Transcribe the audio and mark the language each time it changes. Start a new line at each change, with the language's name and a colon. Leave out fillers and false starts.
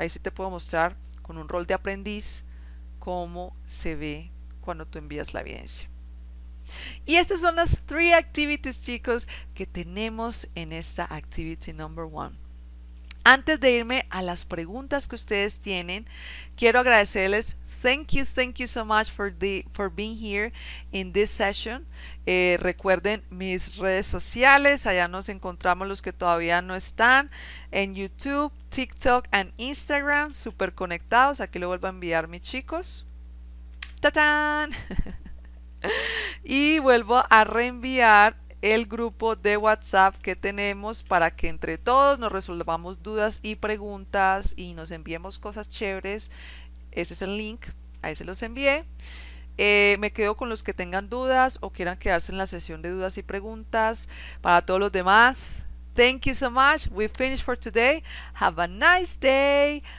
Spanish: Ahí sí te puedo mostrar con un rol de aprendiz cómo se ve cuando tú envías la evidencia. Y estas son las 3 activities, chicos, que tenemos en esta activity number 1. Antes de irme a las preguntas que ustedes tienen, quiero agradecerles.
English: Thank you so much for being here in this session.
Spanish: Recuerden mis redes sociales, allá nos encontramos los que todavía no están, en YouTube, TikTok and Instagram, super conectados. Aquí lo vuelvo a enviar, mis chicos. ¡Tatán! Y vuelvo a reenviar el grupo de WhatsApp que tenemos para que entre todos nos resolvamos dudas y preguntas y nos enviemos cosas chéveres. Ese es el link, ahí se los envié. Me quedo con los que tengan dudas o quieran quedarse en la sesión de dudas y preguntas. Para todos los demás,
English: thank you so much. We finished for today. Have a nice day.